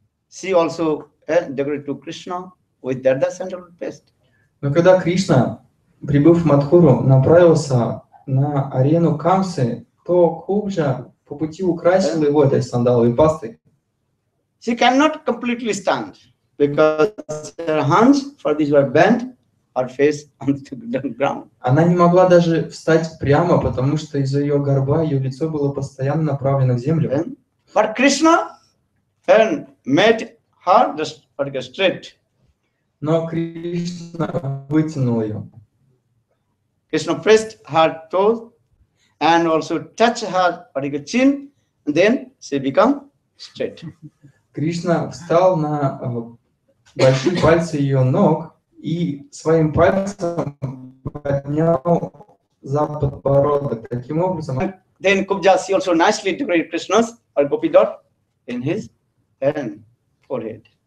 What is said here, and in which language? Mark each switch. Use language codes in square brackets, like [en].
[en] She also decorated to Krishna with that the sandalwood paste. [ru] Но когда Кришна, прибыв в Мадхуру, направился на арену Камсы, то Кубджа по пути украсила его этой сандаловой пастой. [en] She cannot completely stand because her hands for this were bent, her face on the ground. [ru] Она не могла даже встать прямо, потому что из-за ее горба ее лицо было постоянно направлено в землю. [en] And, but Krishna and made her just like straight. [ru] Но Кришна вытянул ее. [en] Krishna pressed her toes and also touched her particular chin, and then she became straight. [ru] Кришна встал на большие пальцы ее ног и своим пальцем поднял за подбородок. Таким образом. [en] Then Kubja also nicely decorated Krishna's or gopi dot in his hand forehead.